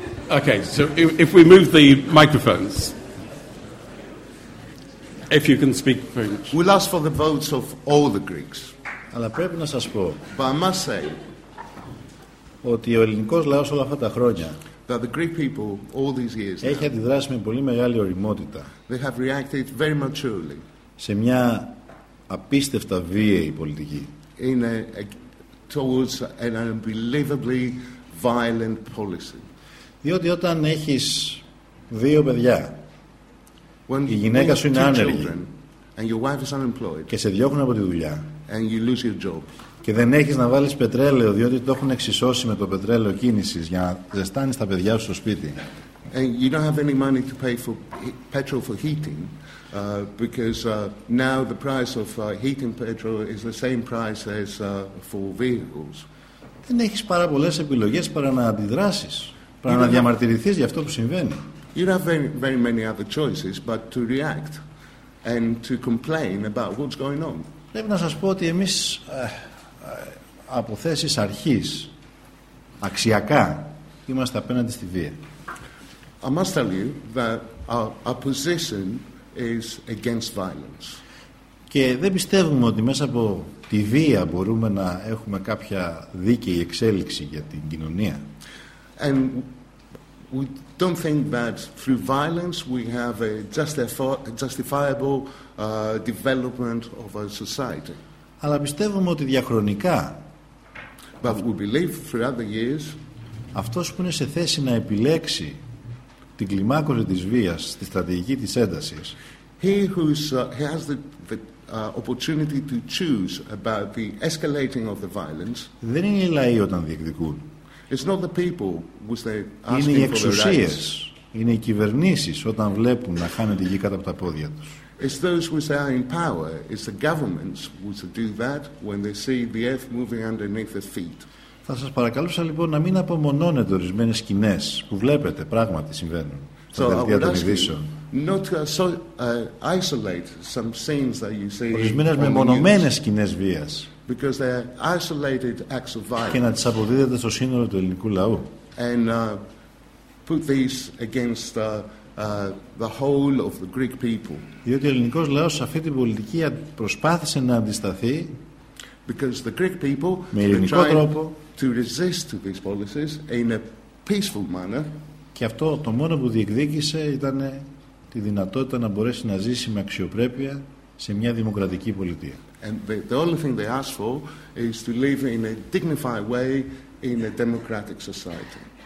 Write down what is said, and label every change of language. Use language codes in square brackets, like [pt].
[en] Okay, so if we move the microphones, if you can speak French. We'll ask for the votes of all the Greeks. [el] Αλλά πρέπει να σας πω. [en] But I must say [el] ότι ο ελληνικός λαός όλα αυτά τα χρόνια [en] that the Greek people all these years [el] έχει αντιδράσει με πολύ μεγάλη ωριμότητα. [en] They have reacted very maturely. [el] Σε μια απίστευτα βίαιη πολιτική. [en] In towards an unbelievably violent policy. [el] Διότι όταν έχεις δύο παιδιά, [en] when [el] η γυναίκα σου είναι άνεργη [en] and your wife is unemployed, [el] και σε διώχνουν από τη δουλειά [en] and you lose your job, [el] και δεν έχεις να βάλεις πετρέλαιο διότι το έχουν εξισώσει με το πετρέλαιο κίνησης για να ζεστάνεις τα παιδιά σου στο σπίτι [en] and you don't have any money to pay for petrol for heating because now the price of heating petrol is the same price as for vehicles, [el] δεν έχεις πάρα πολλές επιλογές παρά να αντιδράσεις. Πρέπει να διαμαρτυρηθείς για αυτό που συμβαίνει. [en] You have very, very many other choices, but to react and to complain about what's going on. [el] Πρέπει να σας πω ότι εμείς από θέσεις αρχής, αξιακά, είμαστε απέναντι στη βία. [en] I must tell you that our position is against violence. [el] Και δεν πιστεύουμε ότι μέσα από τη βία μπορούμε να έχουμε κάποια δίκαιη εξέλιξη για την κοινωνία. [en] And we don't think that through violence we have a justifiable development of our society. [el] Αλλά πιστεύουμε ότι διαχρονικά, [en] but we believe throughout the years, [el] αυτός που είναι σε θέση να επιλέξει την κλιμάκωση της βίας, τη στρατηγική της έντασης, [en] he who's, he has the opportunity to choose about the escalating of the violence, [el] δεν είναι οι λαοί όταν διεκδικούν. [en] It's not the people which they ask. [el] Είναι οι εξουσίες, είναι οι κυβερνήσεις όταν βλέπουν να χάνεται η γη κατά από τα πόδια τους. [en] It's those which are in power. It's the governments which do that when they see the earth moving underneath their feet. [el] Θα σας παρακαλούσα λοιπόν να μην απομονώνετε ορισμένες σκηνές που βλέπετε, πράγματι συμβαίνουν στα δελτία των ειδήσεων. [en] Not to isolate some scenes that you see. [el] Ορισμένες μεμονωμένες σκηνές βίας. [en] Because they are isolated acts of violence. [el] Και να τις αποδίδετε στο σύνολο του ελληνικού λαού. [en] And put these against the whole of the Greek people. [el] Διότι ο ελληνικός λαός σε αυτή την πολιτική προσπάθησε να αντισταθεί. [en] Because the Greek people [el] με ελληνικό τρόπο [en] to resist to these policies in a peaceful manner. [el] Και αυτό το μόνο που διεκδίκησε ήταν τη δυνατότητα να μπορέσει να ζήσει με αξιοπρέπεια σε μια δημοκρατική πολιτεία. [en] And the only thing they ask for is to live in a dignified way in a democratic society.